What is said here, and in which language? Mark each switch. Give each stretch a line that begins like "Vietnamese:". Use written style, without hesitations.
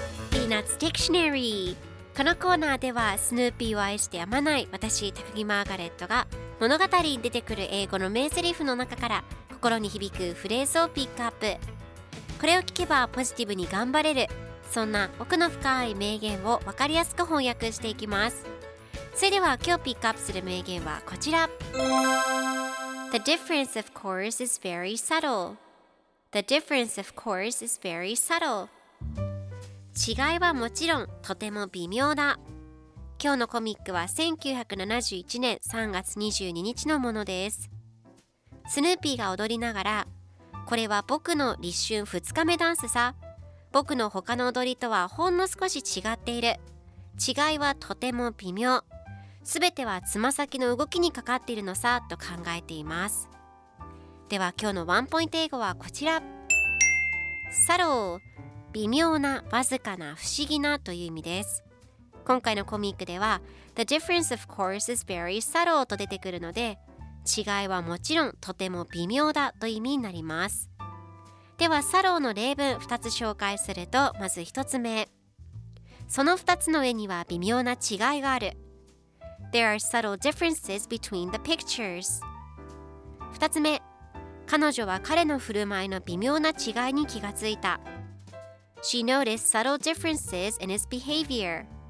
Japanese: ピーナッツ・ディクショナリー。このコーナーではスヌーピーを愛してやまない私、高木マーガレットが物語に出てくる英語の名セリフの中から心に響くフレーズをピックアップ。これを聞けばポジティブに頑張れる、そんな奥の深い名言を分かりやすく翻訳していきます。それでは今日ピックアップする名言はこちら。
English: The difference of course is very subtle. The difference of course is very subtle.
Japanese: 違いはもちろんとても微妙だ。今日のコミックは1971年3月22日のものです。スヌーピーが踊りながら、これは僕の立春2日目ダンスさ、僕の他の踊りとはほんの少し違っている、違いはとても微妙、全てはつま先の動きにかかっているのさと考えています。では今日のワンポイント英語はこちら。サロー、微妙な、わずかな、不思議なという意味です。今回のコミックでは
English: The difference of course is very subtle
Japanese: と出てくるので、違いはもちろんとても微妙だという意味になります。ではサローの例文2つ紹介すると、まず1つ目、その2つの絵には微妙な違いがある。
English: There are subtle differences between the pictures.
Japanese: 2つ目、彼女は彼の振る舞いの微妙な違いに気がついた。
English: She noticed subtle differences in his behavior.